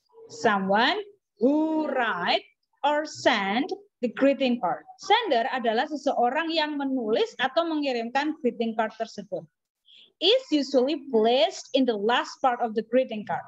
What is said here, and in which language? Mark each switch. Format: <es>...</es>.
<en>Someone who write or send the greeting card.</en> <id>Sender adalah seseorang yang menulis atau mengirimkan greeting card tersebut.</id> <en>Is usually placed in the last part of the greeting card.</en>